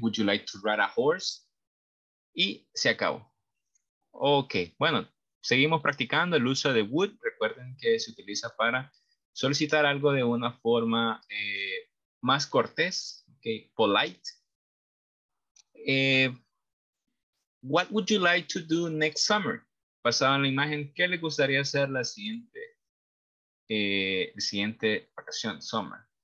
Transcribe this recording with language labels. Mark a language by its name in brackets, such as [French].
[English] Would you like to ride a horse? [Spanish] Y se acabó. Ok, bueno, seguimos practicando el uso de would. Recuerden que se utiliza para solicitar algo de una forma más cortés, okay, polite. [English] What would you like to do next summer? [Spanish] Basado en la imagen, ¿qué le gustaría hacer la siguiente, vacación, summer?